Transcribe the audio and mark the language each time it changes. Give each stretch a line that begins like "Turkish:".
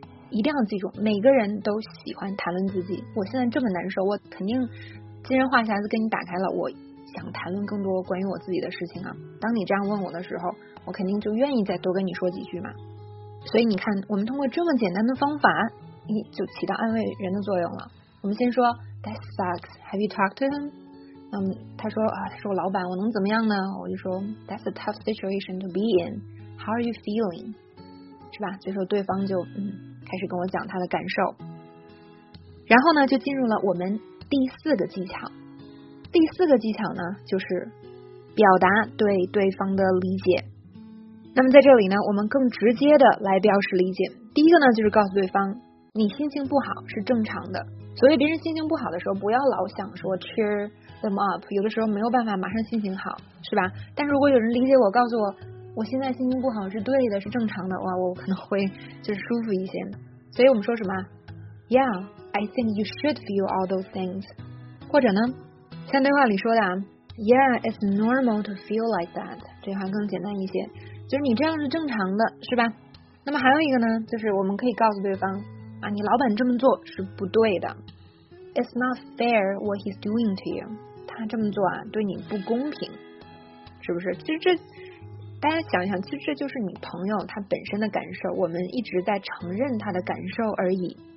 Chinese: 一定要记住，每个人都喜欢谈论自己，我现在这么难受，我肯定既然话匣子跟你打开了，我想谈论更多关于我自己的事情啊。当你这样问我的时候，我肯定就愿意再多跟你说几句嘛。所以你看，我们通过这么简单的方法你就起到安慰人的作用了。我们先说
English: That sucks, have you talked to him?
Chinese: 那么他说啊，他是我老板，我能怎么样呢？我就说
English: That's a tough situation to be in, how are you feeling?
Chinese: 是吧？所以说对方就开始跟我讲他的感受。然后呢就进入了我们第四个技巧。第四个技巧呢就是表达对对方的理解。那么在这里呢我们更直接的来表示理解。第一个呢就是告诉对方你心情不好是正常的。所以别人心情不好的时候不要老想说
English: cheer them up,
Chinese: 有的时候没有办法马上心情好，是吧？但如果有人理解我，告诉我我现在心情不好是对的，是正常的，哇，我可能会就是舒服一些。所以我们说什么？
English: Yeah, I think you should feel all those things.
Chinese: 或者呢像对话里说的
English: Yeah, it's normal to feel like that.
Chinese: 这话更简单一些，就是你这样是正常的，是吧？那么还有一个呢，就是我们可以告诉对方啊，你老板这么做是不对的。
English: It's not fair what he's doing to you.
Chinese: 他这么做啊对你不公平，是不是？其实这大家想一想，其实这就是你朋友他本身的感受，我们一直在承认他的感受而已。